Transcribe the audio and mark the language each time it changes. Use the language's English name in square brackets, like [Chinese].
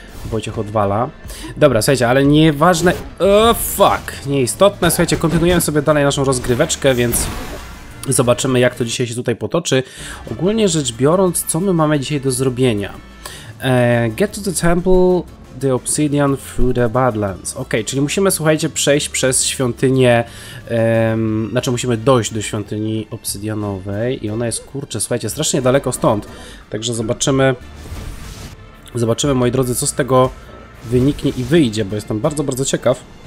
[Polish] Wojciech odwala. Dobra, słuchajcie, ale nieważne. Nieistotne, słuchajcie, kontynuujemy sobie dalej naszą rozgryweczkę, więc zobaczymy, jak to dzisiaj się tutaj potoczy. Ogólnie rzecz biorąc, co my mamy dzisiaj do zrobienia? [English] Get to the temple, the obsidian through the badlands. [Polish] Ok, czyli musimy, słuchajcie, przejść przez świątynię, znaczy musimy dojść do świątyni obsydianowej i ona jest, kurczę, słuchajcie, strasznie daleko stąd. Także zobaczymy, moi drodzy, co z tego wyniknie i wyjdzie, bo jestem bardzo, bardzo ciekaw.